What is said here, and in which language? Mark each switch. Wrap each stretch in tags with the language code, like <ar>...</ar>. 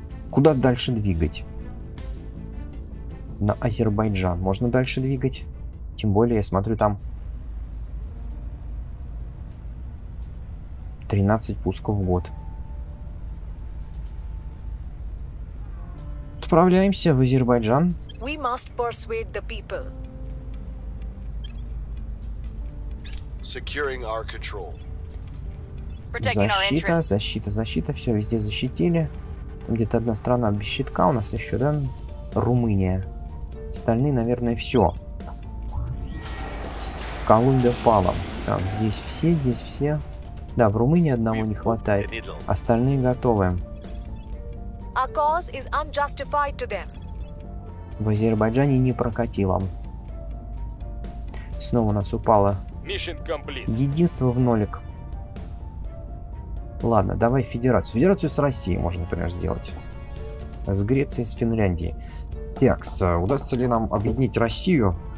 <ru>Куда дальше двигать? На Азербайджан можно дальше двигать. Тем более, я смотрю, там 13 пусков в год. Отправляемся в Азербайджан.</ru> <en>We must persuade the people. Securing our control.</en> <ru>Защита, защита, защита. Все, везде защитили. Где-то одна страна без щитка у нас еще, да? Румыния. Остальные, наверное, все. Колумбия пала. Так, здесь все, здесь все. Да, в Румынии одного не хватает. Остальные готовы.</ru> <en>Our cause is unjustified to them.</en> <ru>В Азербайджане не прокатило. Снова у нас упало.</ru> <en>Mission complete.</en> <ru>Единство в нолик. Ладно, давай федерацию. Федерацию с Россией можно, например, сделать. С Грецией, с Финляндией. Так, удастся ли нам объединить Россию?</ru>